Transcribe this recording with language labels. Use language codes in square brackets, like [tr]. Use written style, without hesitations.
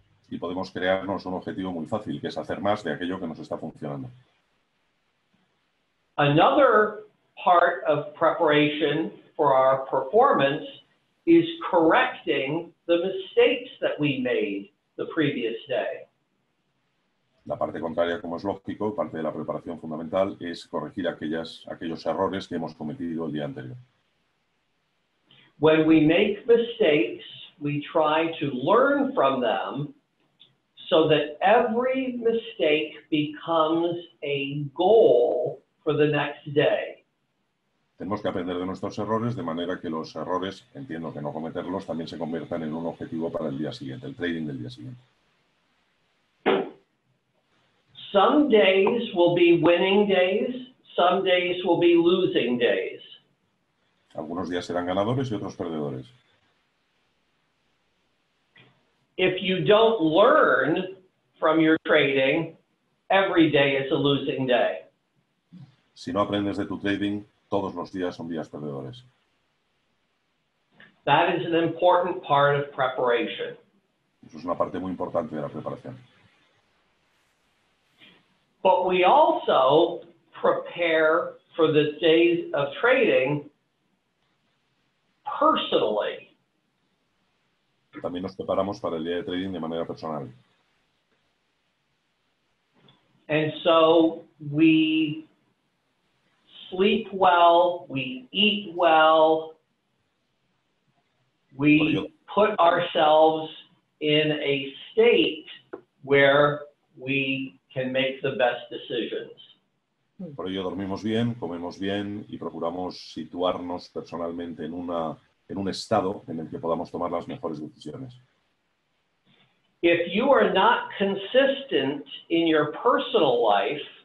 [es] Y podemos crearnos un objetivo muy fácil, que es hacer más de aquello que nos está funcionando. [en] Another part of preparation for our performance is correcting the mistakes that we made the previous day. [es] La parte contraria, como es lógico, parte de la preparación fundamental es corregir aquellos errores que hemos cometido el día anterior. [en] When we make mistakes, we try to learn from them so that every mistake becomes a goal for the next day. [es] Tenemos que aprender de nuestros errores de manera que los errores, entiendo que no cometerlos, también se conviertan en un objetivo para el día siguiente, el trading del día siguiente. [en] Some days will be winning days, some days will be losing days. [es] Algunos días serán ganadores y otros perdedores. [en] If you don't learn from your trading, every day is a losing day. [es] Si no aprendes de tu trading, todos los días son días perdedores. [en] That is an important part of preparation. [es] Eso es una parte muy importante de la preparación. [en] But we also prepare for the days of trading personally. [es] También nos preparamos para el día de trading de manera personal. [en] And so we sleep well, we eat well, we put ourselves in a state where we can make the best decisions. [es] Por ello dormimos bien, comemos bien y procuramos situarnos personalmente en un estado en el que podamos tomar las mejores decisiones. [en] If you are not consistent in your personal life,